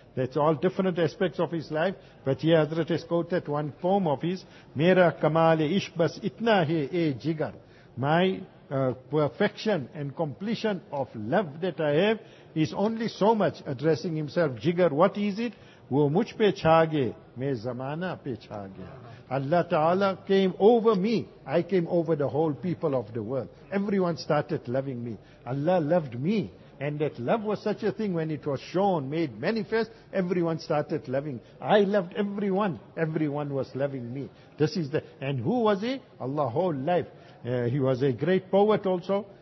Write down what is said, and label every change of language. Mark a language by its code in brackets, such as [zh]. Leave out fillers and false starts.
[en] That's all different aspects of his life. But here Hazrat has quoted one poem of his. [ur] Mera kamale ishq bas itna hai e jigar. [en] My perfection and completion of love that I have is only so much, addressing himself. Jigar, what is it? [ur] وہ مجھ پہ چھا گئے, میں زمانہ پہ چھا گیا. [en] Allah Ta'ala came over me, I came over the whole people of the world. Everyone started loving me. Allah loved me. And that love was such a thing, when it was shown, made manifest, everyone started loving. I loved everyone. Everyone was loving me. This is the, and who was he? Allah, whole life. He was a great poet also.